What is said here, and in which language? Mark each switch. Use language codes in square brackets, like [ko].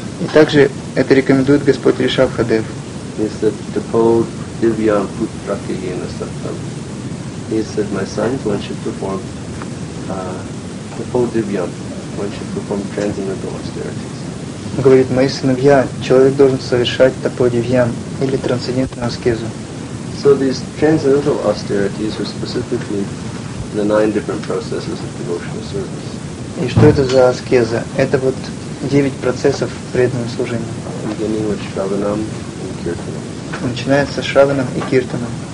[ru] И также это рекомендует Господь Ришабхадев. Is that the pole Divyam Putrakayena Saptam. [en] He said, my sons, one should perform the full Divyam, one should perform transcendental austerities. [ru] Говорит, мои сыновья, человек должен совершать тапо Дивьям или трансцендентную аскезу. [en] So these transcendental austerities are specifically the nine different processes of devotional service. [ru] И что это за аскеза? Это вот девять процессов преданного служения. [en] Beginning with Shravanam and Kirtanam. [ru] Начинается с Шраванам и Киртанам.